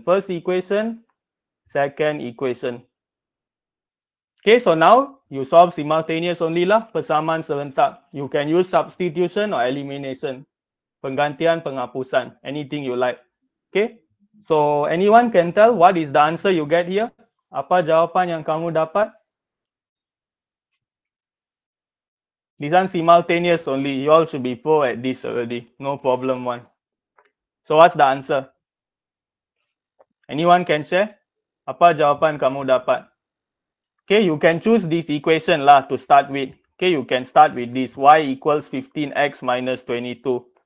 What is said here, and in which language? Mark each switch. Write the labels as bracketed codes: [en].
[en] First equation, second equation. Okay, so now you solve simultaneous only lah, [ms] persamaan serentak. [en] You can use substitution or elimination. [ms] Penggantian, penghapusan, [en] anything you like. Okay, so anyone can tell what is the answer you get here? [ms] Apa jawapan yang kamu dapat? [en] This one simultaneous only. You all should be pro at this already. No problem one. So what's the answer? Anyone can share? [ms] Apa jawapan kamu dapat? [en] Okay, you can choose this equation lah to start with. Okay, you can start with this. Y equals 15x minus 22.